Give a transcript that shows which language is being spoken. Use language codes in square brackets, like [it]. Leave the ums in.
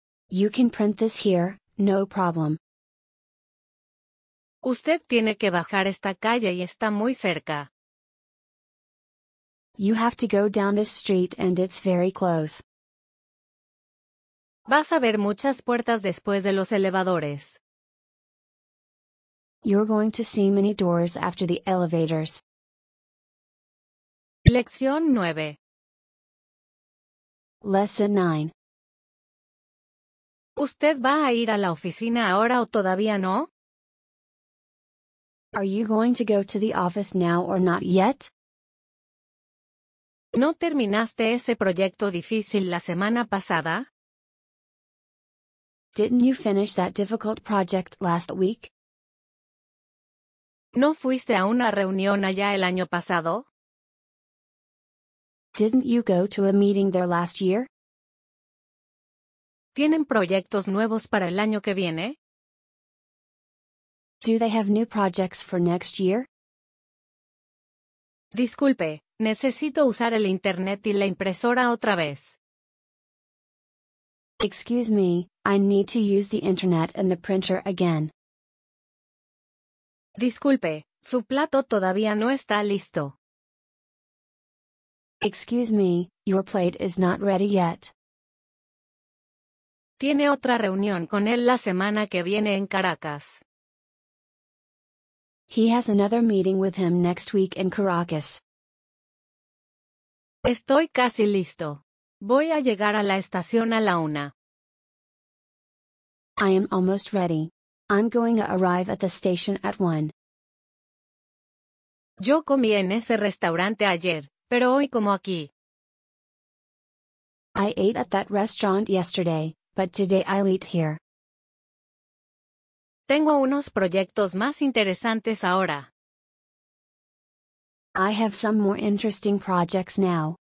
[en] You can print this here, no problem. [es] Usted tiene que bajar esta calle y está muy cerca. [en] You have to go down this street and it's very close. [es] Vas a ver muchas puertas después de los elevadores. [en] You're going to see many doors after the elevators. [es] Lección 9. [en] Lesson 9. [es] ¿Usted va a ir a la oficina ahora o todavía no? [en] Are you going to go to the office now or not yet? [es] ¿No terminaste ese proyecto difícil la semana pasada? [en] Didn't you finish that difficult project last week? [es] ¿No fuiste a una reunión allá el año pasado? [en] Didn't you go to a meeting there last year? [es] ¿Tienen proyectos nuevos para el año que viene? [en] Do they have new for next year? [es] Disculpe, necesito usar el internet y la impresora otra vez. [en] Me, I need to use the and the again. [es] Disculpe, su plato todavía no está listo. [en] Excuse me, your plate is not ready yet. [es] Tiene otra reunión con él la semana que viene en Caracas. [en] He has another meeting with him next week in Caracas. [es] Estoy casi listo. Voy a llegar a la estación a la una. [en] I am almost ready. I'm going to arrive at the station at one. [es] Yo comí en ese restaurante ayer, Pero hoy como aquí. [en] I ate at that restaurant yesterday, but today I eat here. [es] Tengo unos proyectos más interesantes ahora. [en] I have some more interesting projects now.